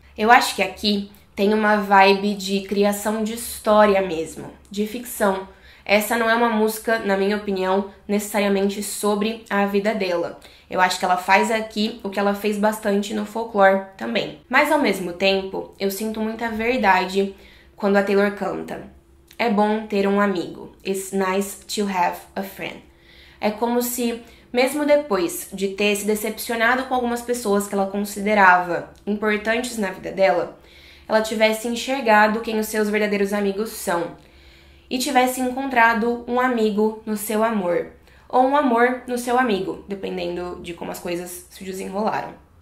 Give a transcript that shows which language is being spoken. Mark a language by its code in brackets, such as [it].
[pt] Eu acho que aqui tem uma vibe de criação de história mesmo, de ficção. Essa não é uma música, na minha opinião, necessariamente sobre a vida dela. Eu acho que ela faz aqui o que ela fez bastante no Folklore também. Mas ao mesmo tempo, eu sinto muita verdade quando a Taylor canta. É bom ter um amigo. [en] It's nice to have a friend. [pt] É como se, mesmo depois de ter se decepcionado com algumas pessoas que ela considerava importantes na vida dela, ela tivesse enxergado quem os seus verdadeiros amigos são e tivesse encontrado um amigo no seu amor, ou um amor no seu amigo, dependendo de como as coisas se desenrolaram.